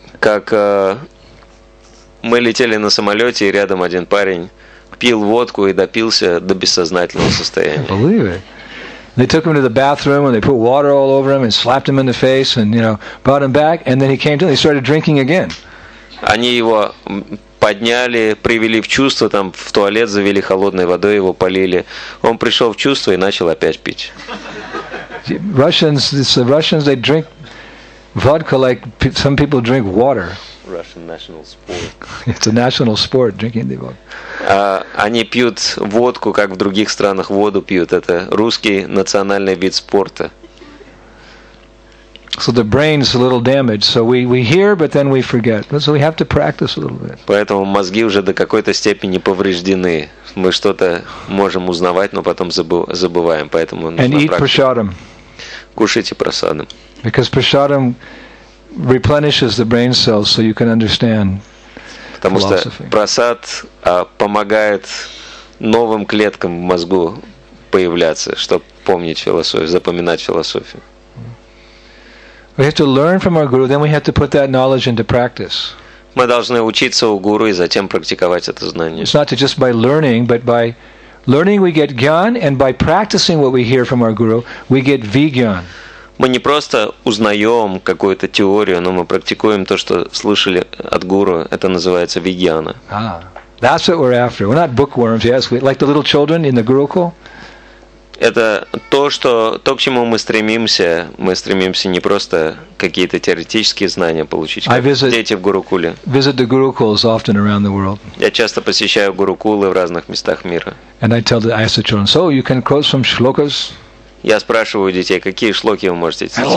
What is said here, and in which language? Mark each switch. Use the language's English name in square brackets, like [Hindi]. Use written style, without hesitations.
[Russian] Как мы летели на самолете, и рядом один парень пил водку и допился до бессознательного состояния. [English] I believe it. They took him to the bathroom and they put water all over him and slapped him in the face and, you know, brought him back, and then he came to and he started drinking again. [Russian] Они его подняли, привели в чувство, там в туалет завели холодной водой, его полили. Он пришел в чувство и начал опять пить. [English] Russians, it's the Russians, they drink vodka like some people drink water. Russian national sport. It's a national sport, drinking the vodka. [Russian] Они пьют водку, как в других странах воду пьют. Это русский национальный вид спорта. [English] So the brain's a little damaged. So we hear, but then we forget. So we have to practice a little bit. [Russian] Поэтому мозги уже до какой-то степени повреждены. Мы что-то можем узнавать, но потом забываем. Поэтому нужно [English] And eat prasadam. [Russian] Кушайте прасадам. [English] Because prasadam replenishes the brain cells, so you can understand. [Russian] Потому что прасад помогает новым клеткам в мозгу появляться, чтобы помнить философию, запоминать философию. [English] We have to learn from our guru, then we have to put that knowledge into practice. [Russian] Мы должны учиться у гуру и затем практиковать это знание. [English] It's not just by learning, but by learning we get gyan, and by practicing what we hear from our guru, we get vigyan. [Russian] Мы не просто узнаем какую-то теорию, но мы практикуем то, что слышали от гуру. Это называется вигьяна. [English] That's what we're after. We're not bookworms, yes, we, like the little children in the Gurukul. [Russian] Это то, к чему мы стремимся. Мы стремимся не просто какие-то теоретические знания получить, как дети в Гурукуле. [English] Visit the Gurukuls often around the world. [Russian] Я часто посещаю Гурукулы в разных местах мира. [English] And I tell the, I ask the children, so you can quote some shlokas. [Russian] Я спрашиваю детей, какие шлоки вы можете цитировать.